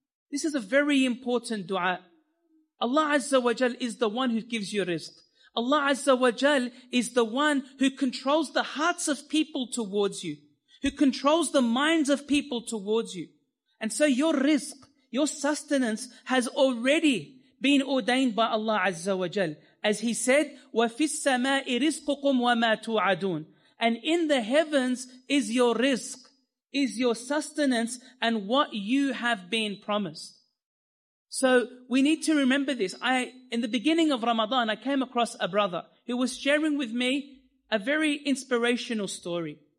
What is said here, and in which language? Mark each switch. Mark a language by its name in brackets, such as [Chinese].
[English] This is a very important du'a. Allah Azza wa Jal is the one who gives you rizq. Allah Azza wa Jal is the one who controls the hearts of people towards you, who controls the minds of people towards you. And so your rizq, your sustenance has already been ordained by Allah Azza wa Jal. As he said, [Arabic] وَفِي السَّمَاءِ رِزْقُكُمْ وَمَا تُوْعَدُونَ. [English] And in the heavens is your rizq, is your sustenance and what you have been promised. So we need to remember this. In the beginning of Ramadan, I came across a brother who was sharing with me a very inspirational story.